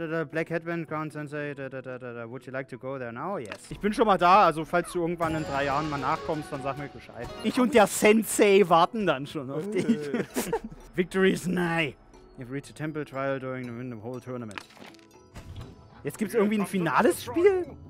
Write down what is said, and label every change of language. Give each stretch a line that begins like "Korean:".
English: Black Headband, Crown Sensei, would you like to go there now? Yes.
German: Ich bin schon mal da, also falls du irgendwann in 3 Jahren mal nachkommst, dann sag mir Bescheid. Ich und der Sensei warten dann schon auf dich.
English: Victory is nigh. You've reached a temple trial during the whole tournament.
German: Jetzt gibt's irgendwie ein finales Spiel?